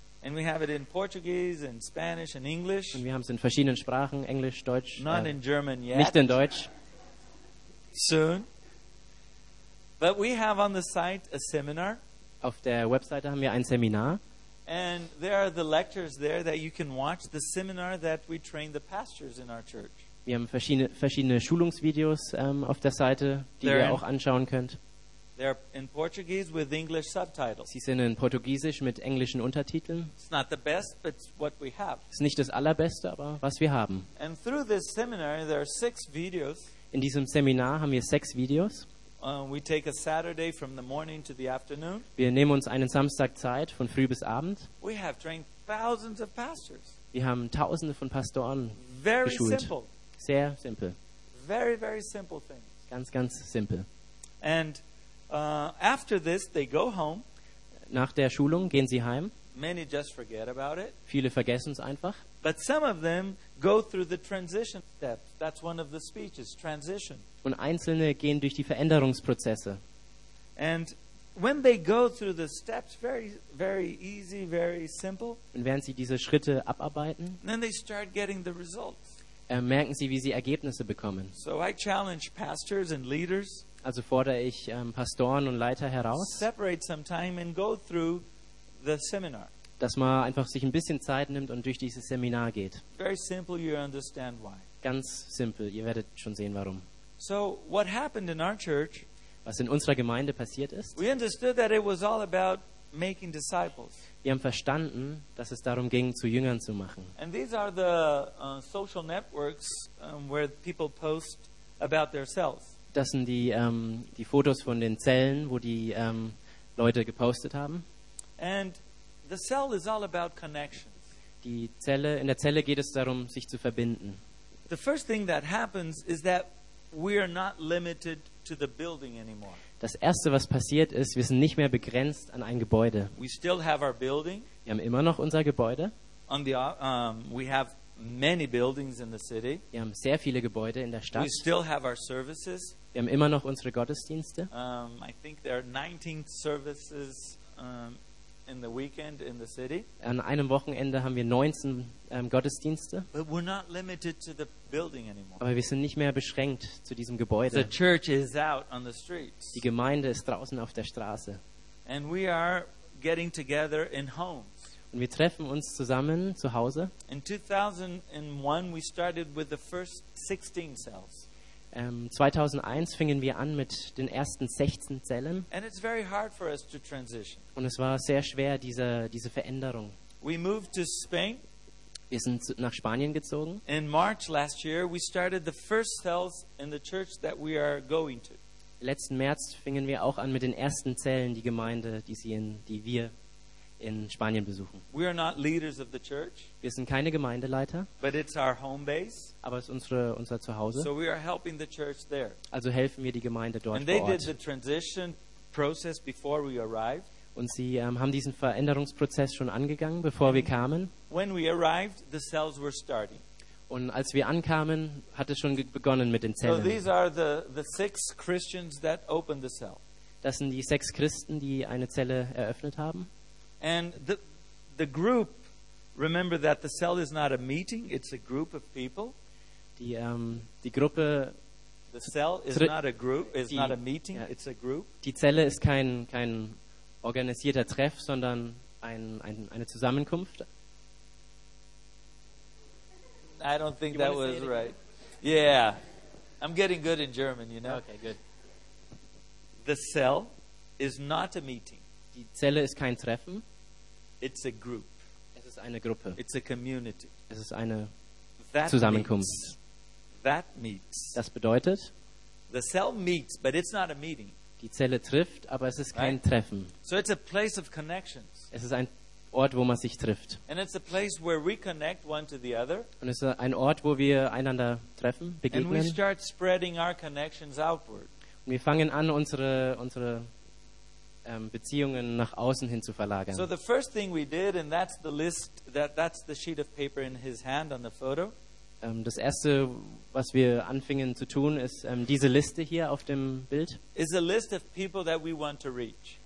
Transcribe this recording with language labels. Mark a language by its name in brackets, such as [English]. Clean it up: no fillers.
[English] And we have it in Portuguese and Spanish and English. [German] Und wir haben es in verschiedenen Sprachen, Englisch, Deutsch. [English] Not in German yet. [German] Nicht in Deutsch. [English] Soon. But we have on the site a seminar. [German] Auf der Webseite haben wir ein Seminar. [English] And there are the lectures there that you can watch, the seminar that we train the pastors in our church. [German] Wir haben verschiedene Schulungsvideos auf der Seite, die ihr auch anschauen könnt. [English] They're in Portuguese with English subtitles. [German] Sie sind in Portugiesisch mit englischen Untertiteln. [English] It's not the best, but it's what we have. [German] Ist nicht das Allerbeste, aber was wir haben. [English] And through this seminar, there are 6 videos. [German] In diesem Seminar haben wir 6 Videos. [English] We take a Saturday from the morning to the afternoon. [German] Wir nehmen uns einen Samstag Zeit von früh bis Abend. [English] We have trained thousands of pastors. [German] Wir haben Tausende von Pastoren [English] very [German] geschult. [English] Simple. [German] Sehr simpel. [English] Very, very simple things. [German] Ganz, ganz simpel. [English] And after this, they go home. [German] Nach der Schulung gehen sie heim. [English] Many just forget about it. [German] Viele vergessen es einfach. [English] But some of them go through the transition steps. That's one of the speeches, transition. [German] Und einzelne gehen durch die Veränderungsprozesse. [English] And when they go through the steps, very, very easy, very simple. [German] Und während sie diese Schritte abarbeiten, [English] then they start getting the results. [German] Merken sie, wie sie Ergebnisse bekommen. [English] So I challenge pastors and leaders. [German] Also fordere ich Pastoren und Leiter heraus, [English] separate some time and go through the seminar. [German] Dass man einfach sich ein bisschen Zeit nimmt und durch dieses Seminar geht. [English] Very simple, you understand why. [German] Ganz simpel, ihr werdet schon sehen, warum. [English] So, what happened in our church, [German] was in unserer Gemeinde passiert ist, [English] we understood that it was all about making disciples. [German] Wir haben verstanden, dass es darum ging, zu Jüngern zu machen. [English] And these are the social networks where people post about themselves. [German] Das sind die, die Fotos von den Zellen, wo die Leute gepostet haben. [English] And the cell is all about connections. [German] Die Zelle, in der Zelle geht es darum, sich zu verbinden. [English] The first thing that happens is that we are not limited to the building anymore. [German] Das erste, was passiert ist, wir sind nicht mehr begrenzt an ein Gebäude. [English] We still have our building. [German] Wir haben immer noch unser Gebäude. [English] On the, we have many buildings in the city. [German] Wir haben sehr viele Gebäude in der Stadt. [English] We still have our services. [German] Wir haben immer noch unsere Gottesdienste. [English] I think there are 19 services in the weekend in the city. [German] An einem Wochenende haben wir 19 Gottesdienste. [English] But we're not limited to the building anymore. [German] Aber wir sind nicht mehr beschränkt zu diesem Gebäude. [English] The church is out on the streets. [German] Die Gemeinde ist draußen auf der Straße. [English] And we are getting together in homes. [German] Und wir treffen uns zusammen zu Hause. [English] In 2001 we started with the first 16 cells. [German] 2001 fingen wir an mit den ersten 16 Zellen. [English] And it's very hard for us to transition. [German] Und es war sehr schwer, diese Veränderung. [English] We moved to Spain. [German] Wir sind nach Spanien gezogen. [English] In March last year we started the first cells in the church that we are going to. [German] Letzten März fingen wir auch an mit den ersten Zellen, die Gemeinde, die wir in Spanien besuchen. [English] We are not leaders of the church. [German] Wir sind keine Gemeindeleiter. [English] But it's our home base. [German] Aber es ist unser Zuhause. [English] So we are helping the church there. [German] Also helfen wir die Gemeinde dort vor Ort. [English] And they did the transition process before we arrived. [German] Und sie haben diesen Veränderungsprozess schon angegangen, bevor wir kamen. [English] When we arrived, the cells were starting. [German] Und als wir ankamen, hat es schon begonnen mit den Zellen. [English] So these are the 6 Christians that opened the cell. [German] Das sind die 6 Christen, die eine Zelle eröffnet haben. [English] And the group, remember that the cell is not a meeting, it's a group of people. [German] Die Gruppe, [English] the cell is not a group, is not a meeting, ja, it's a group. [German] Die Zelle ist kein organisierter Treff, sondern eine Zusammenkunft. [English] I don't think you that was right. Yeah. I'm getting good in German, you know. Okay, good. The cell is not a meeting. [German] Die Zelle ist kein Treffen. [English] It's a group. [German] Es ist eine Gruppe. [English] It's a community. [German] Es ist eine Zusammenkunft. [English] That meets. [German] Das bedeutet, [English] the cell meets, but it's not a meeting. [German] Die Zelle trifft, aber es ist kein Treffen. [English] So it's a place of connections. [German] Es ist ein Ort, wo man sich trifft. [English] And it's a place where we connect one to the other. [German] Und es ist ein Ort, wo wir einander treffen, begegnen. [English] And we start spreading our connections outward. [German] Und wir fangen an, unsere Beziehungen nach außen hin zu verlagern. [English] So the first thing we did, and that's the list, that's the sheet of paper in his hand on the photo. [German] Das erste, was wir anfingen zu tun, ist diese Liste hier auf dem Bild. [English] It's a list of people that we want to reach.